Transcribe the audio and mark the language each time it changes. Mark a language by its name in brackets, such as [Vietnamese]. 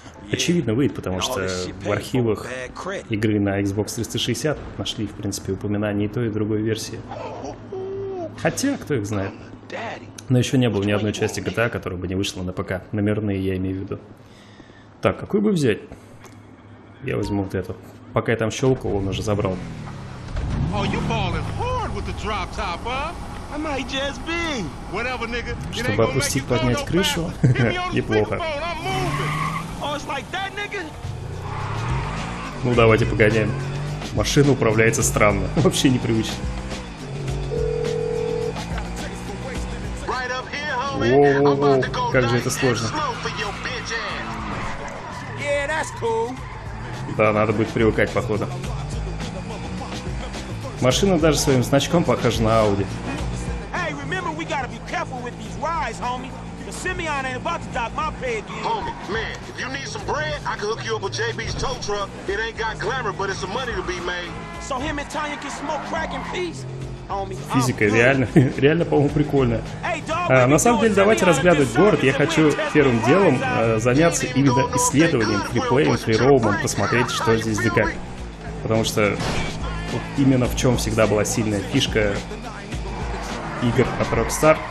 [Russian] Очевидно, выйдет, потому что в архивах игры на Xbox 360 нашли, в принципе, упоминание и той, и другой версии. Хотя, кто их знает. Но еще не было ни одной части GTA, которая бы не вышла на ПК. Номерные, я имею в виду. Так, какую бы взять? Я возьму вот эту. Пока я там щелкал, он уже забрал. [English] Oh, you ballin' hard with the drop top, huh? I might just be. Whatever, nigga. [Russian] Чтобы опустить, поднять крышу, неплохо. [English] Oh, it's like that, nigga? [Russian] Ну, давайте погоняем. Машина управляется странно. Вообще непривычно. Воу-воу-воу, как же это сложно. [English] Yeah, that's cool. [Russian] Да, надо будет привыкать, походу. Машина даже своим значком похожа на Audi. [English] Hey, remember, we gotta be careful with these rides, homie. The Simeon ain't about to dock my pay again. Homie, man, if you need some bread, I can hook you up with JB's tow truck. It ain't got glamour, but it's some money to be made. So him and Tanya can smoke crack in peace. [Russian] Физика реально, реально, по-моему, прикольная. На самом деле, давайте разглядывать город. Я хочу первым делом заняться именно исследованием, фриплеем, фрироумом, посмотреть, что здесь да как. Потому что вот именно в чем всегда была сильная фишка игр от Rockstar.